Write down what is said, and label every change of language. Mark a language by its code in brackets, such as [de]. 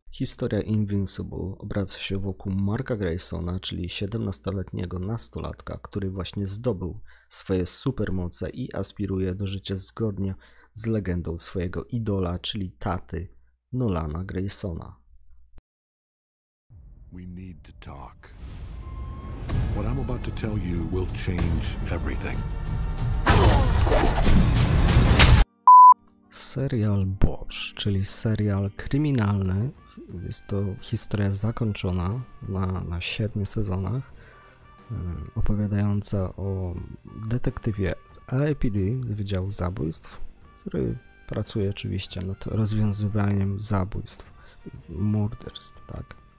[pl] Historia Invincible obraca się wokół Marka Graysona, czyli 17-letniego nastolatka, który właśnie zdobył swoje supermoce i aspiruje do życia zgodnie z legendą swojego idola, czyli taty Nolana Graysona. [en] We need to talk. What I'm about to tell you will change everything. [pl] Serial Bosch, czyli serial kryminalny. Jest to historia zakończona na 7 sezonach, opowiadająca o detektywie LAPD z Wydziału Zabójstw, który pracuje oczywiście nad rozwiązywaniem zabójstw, morderstw, tak.